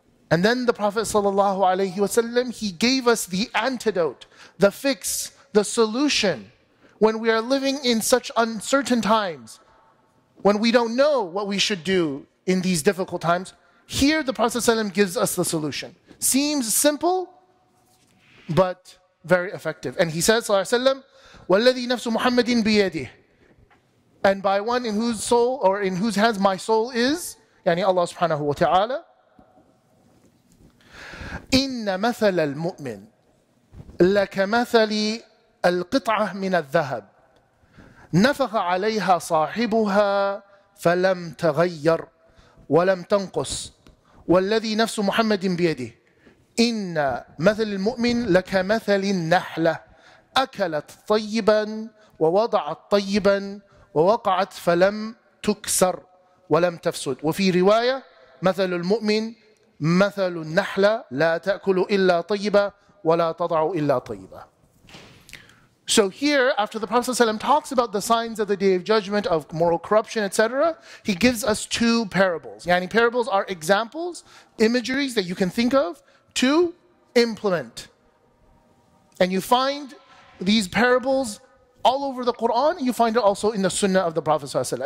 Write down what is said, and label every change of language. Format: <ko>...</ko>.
<en>And then the Prophet ﷺ, he gave us the antidote, the fix, the solution. When we are living in such uncertain times, when we don't know what we should do in these difficult times, here the Prophet ﷺ gives us the solution. Seems simple, but very effective. And he says,</en> <ar>وَالَّذِي نَفْسُ مُحَمَّدٍ بِيَدِهِ,</ar> <en>and by one in whose soul or in whose hands my soul is, yani Allah subhanahu wa ta'ala,</en> <ar>إِنَّ مَثَلَ الْمُؤْمِنِ لَكَمَثَلِ الْقِطْعَةِ مِنَ الذَّهَبِ نَفَخَ عَلَيْهَا صَاحِبُهَا فَلَمْ تَغَيَّرْ وَلَمْ تَنْقُصْ وَالَّذِي نَفْسُ مُحَمَّدٍ بِيَدِهِ إِنَّ مَثَلِ الْمُؤْمِنِ لَكَمَثَلِ النَّحْلَةِ أَكَلَتْ طَيِّبًا وَوَضَعَتْ طَيِّبًا ووقعت فلم تكسر ولم تفسد. وفي رواية مثل المؤمن مثل النحلة لا تأكل إلا طيبة ولا تضع إلا طيبة.</ar> <en>So here, after the Prophet ﷺ talks about the signs of the Day of Judgment, of moral corruption, etc., he gives us two parables. Yani parables are examples, imageries that you can think of to implement. And you find these parables all over the Quran, you find it also in the Sunnah of the Prophet ﷺ.</en>